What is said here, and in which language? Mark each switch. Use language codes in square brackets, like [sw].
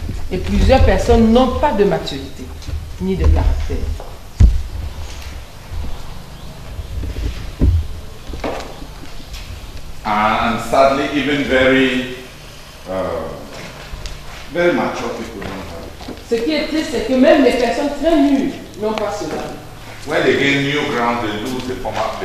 [fr] Et plusieurs personnes n'ont pas de maturité ni de caractère. [en] And sadly, even very mature people don't have it. [fr] Ce qui est triste, c'est que même les personnes très mûres n'ont pas cela. [en] When they gain new ground, they lose the former.